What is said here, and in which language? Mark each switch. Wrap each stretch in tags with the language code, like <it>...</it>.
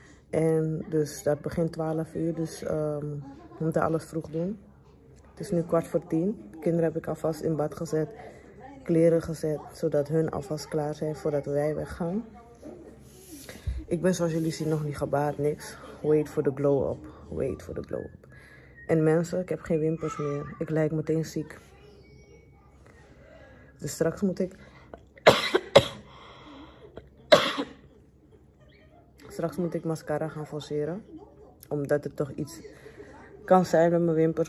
<nl>En dus dat begint 12:00, dus we moeten alles vroeg doen. Het is nu 9:45. De kinderen heb ik alvast in bad gezet, kleren gezet, zodat hun alvast klaar zijn voordat wij weggaan. Ik ben zoals jullie zien nog niet gebaard, niks.</nl> <en>Wait for the glow up, wait for the glow up.</en> <nl>En mensen, ik heb geen wimpers meer. Ik lijk meteen ziek. Dus straks moet ik... straks moet ik mascara gaan forceren. Omdat het toch iets kan zijn met mijn wimpers.</nl>